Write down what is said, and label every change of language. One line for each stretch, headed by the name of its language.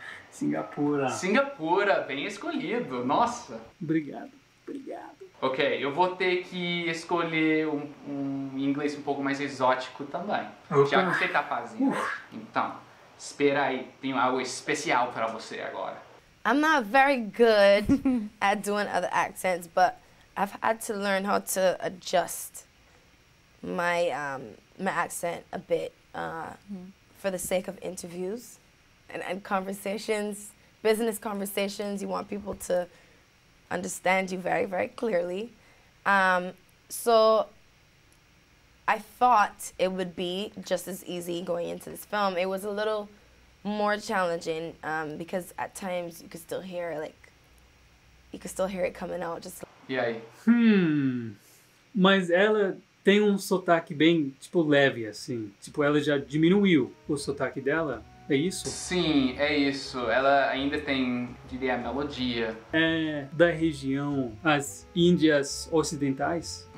Portuguese: Singapura, bem escolhido, nossa. Obrigado. Ok, eu vou ter que escolher um inglês um pouco mais exótico também. Opa. Já que você tá fazendo. Então, espera aí, tenho algo especial para você agora.
English: I'm not very good at doing other accents, but I've had to learn how to adjust my my accent a bit for the sake of interviews. And conversations, business conversations, you want people to understand you very, very clearly. So I thought it would be just as easy going into this film. It was a little more challenging because at times you could still hear you could still hear it coming out. Just
Portuguese: E aí? Mas ela tem sotaque bem, tipo, leve, assim. Tipo, ela já diminuiu o sotaque dela. É isso? Sim, é isso. Ela ainda tem, diria, a melodia. É da região, as Índias Ocidentais?